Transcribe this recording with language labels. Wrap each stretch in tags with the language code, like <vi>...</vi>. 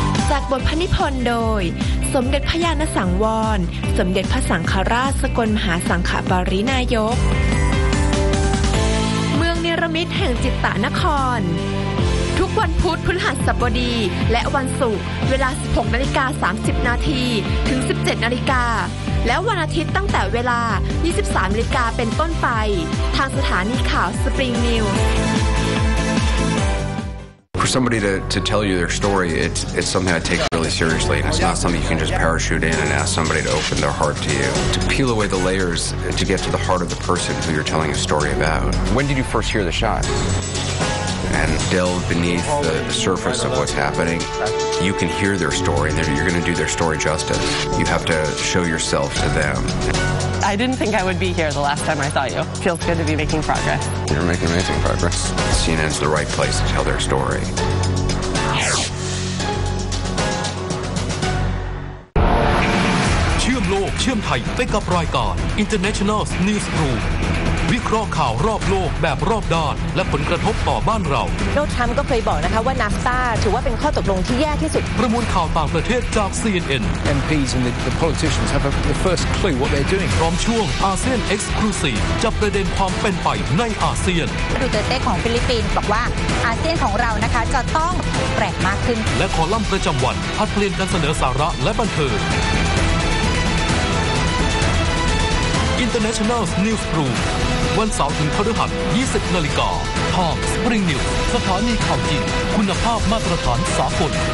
<th>จากบทพนิพนธ์โดยสมเด็จพญานสังวรสมเด็จพระสังฆราชสกลมหาสังฆปริณายกเมืองเนรมิตแห่งจิตตนครทุกวันพุธพฤหัสบดีและวันศุกร์เวลา 16:30 นถึง 17:00 นและวันอาทิตย์ตั้งแต่เวลา 23:00 นเป็นต้นไปทางสถานีข่าว Spring News</th> <en>For somebody to tell you their story it's something I take really seriously and it's not something you can just parachute in and ask somebody to open their heart to you to peel away the layers to get to the heart of the person who you're telling a story about When did you first hear the shot? And delve beneath the surface of what's happening. You can hear their story, and you're going to do their story justice. You have to show yourself to them. I didn't think I would be here the last time I saw you. Feels good to be making progress. You're making amazing progress. CNN's the right place to tell their story.</en> <th>เชื่อมโลกเชื่อมไทยไปกับรายการ International News Group. วิเคราะห์ข่าวรอบโลกแบบรอบด้านและผลกระทบต่อบ้านเรา โดนัลด์ทรัมป์ก็เคยบอกนะคะว่านาฟตาถือว่าเป็นข้อตกลงที่แย่ที่สุด ประมวลข่าวต่างประเทศจาก CNN</th> <en>MPs and the politicians have the first clue what they're doing</en> <th>พร้อมช่วง ASEAN Exclusive จับประเด็นความเป็นไปในอาเซียน ดูเตเต้ของฟิลิปปินส์บอกว่าอาเซียนของเรานะคะจะต้องแปลกมากขึ้น และคอลัมน์ประจำวันผัดเปลี่ยนการเสนอสาระและบันเทิงInternational News Group วันเสาร์ถึงพฤหัส 20:00 นทาง Spring News สถานีข่าวจริงคุณภาพมาตรฐานสากล</th>